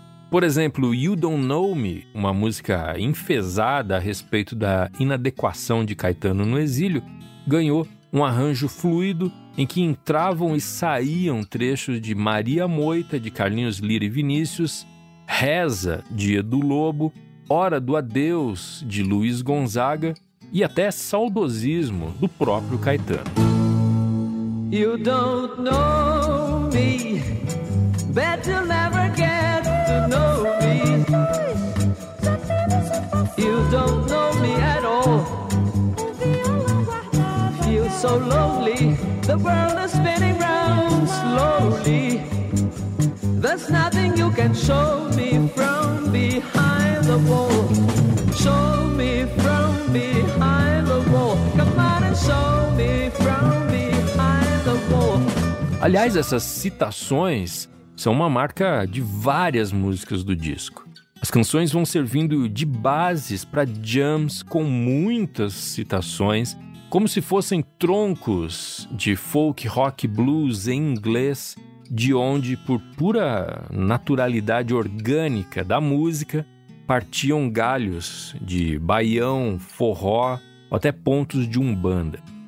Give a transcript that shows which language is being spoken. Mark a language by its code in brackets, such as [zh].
[pt] Por exemplo, You Don't Know Me, uma música enfezada a respeito da inadequação de Caetano no exílio, ganhou um arranjo fluido em que entravam e saíam trechos de Maria Moita, de Carlinhos Lira e Vinícius, Reza, de Edu Lobo, Hora do Adeus, de Luiz Gonzaga, e até Saudosismo, do próprio Caetano. [en] You don't know me, bet you'll never get to know me. You don't know me at all. So lonely, the world is spinning round slowly. There's nothing you can show me from behind the wall. Show me from behind the wall. Come on and show me from behind the wall. [pt] Aliás, essas citações são uma marca de várias músicas do disco. As canções vão servindo de bases para jams com muitas citações, como se fossem troncos de folk rock blues em inglês, de onde, por pura naturalidade orgânica da música, partiam galhos de baião, forró, até pontos de umbanda.